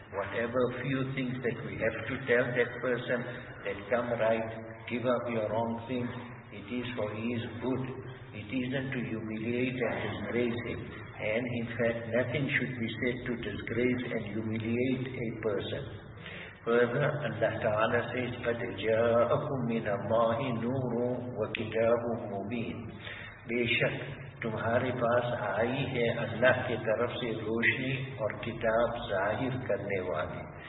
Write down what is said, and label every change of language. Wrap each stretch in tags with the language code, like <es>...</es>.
<en>Whatever few things that we have to tell that person, that come right, give up your wrong thing, it is for his good. It isn't to humiliate and disgrace him. And in fact, nothing should be said to disgrace and humiliate a person. Further, Allah Ta'ala says,</en> <ar>قَدْ جَاءَكُمْ مِنَ اللَّهِ نُورٌ وَكِتَابٌ مُبِينٌ.</ar> <ur>بے شک تمہارے پاس آئی ہے اللہ کے طرف سے روشنی اور کتاب ظاہر کرنے والی.</ur>